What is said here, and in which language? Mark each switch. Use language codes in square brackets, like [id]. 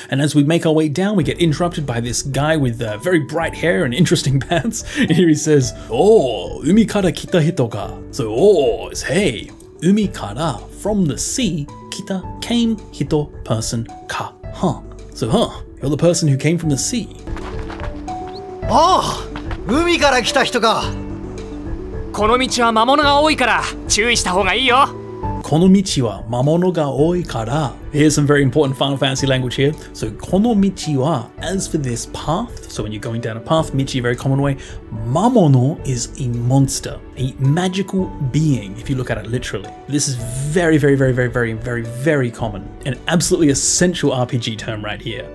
[en] And as we make our way down, we get interrupted by this guy with very bright hair and interesting pants. Here he says, Oh, [ja] umi kara kita hito ga. [en] So, oh, is hey. [ja] Umi kara, [en] from the sea, kita, came, hito, person, ka, huh. So, huh, you're the person who came from the sea. [ja] Oh, umi kara kita hito ga. この道は魔物が多いから注意した方がいいよ。この道は魔物が多いから。 [en] Here's some very important Final Fantasy language here. So, [ja] この道は, [en] as for this path, so when you're going down a path, 道, very common way, 魔物 is a monster, a magical being, if you look at it literally. This is very, very, very, very, very, very, very common. An absolutely essential RPG term right here.